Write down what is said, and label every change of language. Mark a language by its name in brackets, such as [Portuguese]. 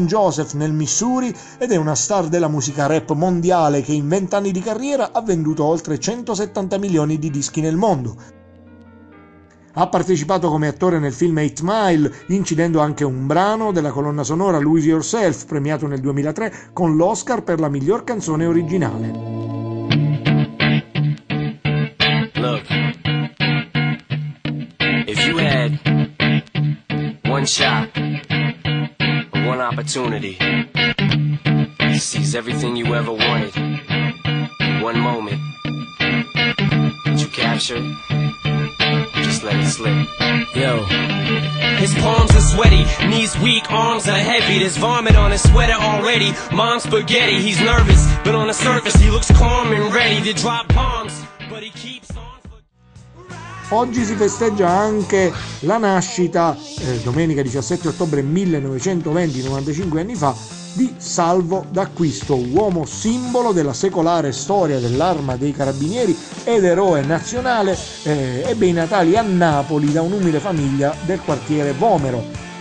[Italian] Joseph nel Missouri ed è una star della musica rap mondiale che in 20 anni di carriera ha venduto oltre 170 milioni di dischi nel mondo. Ha partecipato come attore nel film 8 Mile, incidendo anche un brano della colonna sonora Lose Yourself, premiato nel 2003 con l'Oscar per la miglior canzone originale. [English] Look, if you had one shot, one opportunity, seize everything you ever wanted, one moment, that you captured, just let it slip, yo. His palms are sweaty, knees weak, arms are heavy, there's vomit on his sweater already, mom's spaghetti, he's nervous, but on the surface he looks calm and ready to drop bombs, but he keeps on. [Italian] Oggi si festeggia anche la nascita, domenica 17 ottobre 1920, 95 anni fa, di Salvo D'Acquisto, uomo simbolo della secolare storia dell'arma dei carabinieri ed eroe nazionale, ebbe i natali a Napoli da un'umile famiglia del quartiere Vomero.